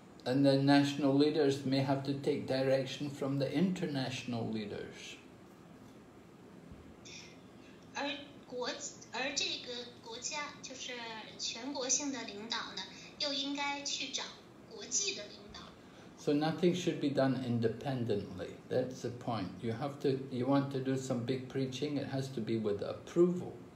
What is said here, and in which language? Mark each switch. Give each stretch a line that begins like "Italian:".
English: and the national leaders may have to take direction from the international leaders.
Chinese: 而这个国家就是全国性的领导呢，又应该去找国际的领导。
English: So nothing should be done independently. That's the point. You want to do some big preaching, it has to be with approval.